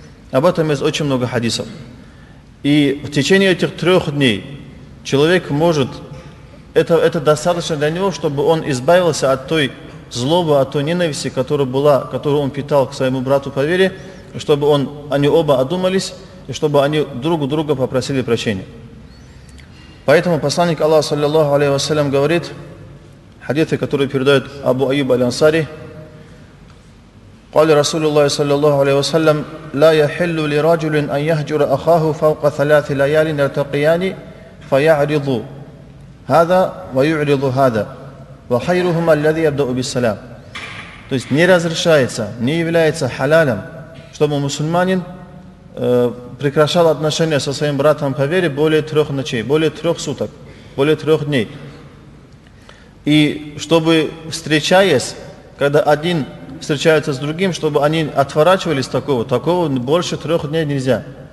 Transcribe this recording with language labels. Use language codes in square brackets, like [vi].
[ru] Об этом есть очень много хадисов. И в течение этих 3 дней человек может, это достаточно для него, чтобы он избавился от той злобы, от той ненависти, которая была, которую он питал к своему брату по вере, чтобы они оба одумались, и чтобы они друг у друга попросили прощения. Поэтому посланник Аллаха, саллиллаху алейхи ва саллям, говорит, хадиты, которые передают Абу Аюб Аль-Ансари, [ar] قال رسول الله صلى الله عليه وسلم لا يحل لرجل أن يهجر أخاه فوق ثلاث ليال يلتقيان فيعرض هذا ويعرض هذا وخيرهما الذي يبدأ بالسلام. [ru] То есть не разрешается, не является халалом, чтобы мусульманин прекращал отношения со своим братом по вере более трех ночей, более трех суток, более трех дней. И чтобы встречаясь, когда один встречается с другим, чтобы они отворачивались такого, такого больше трех дней нельзя.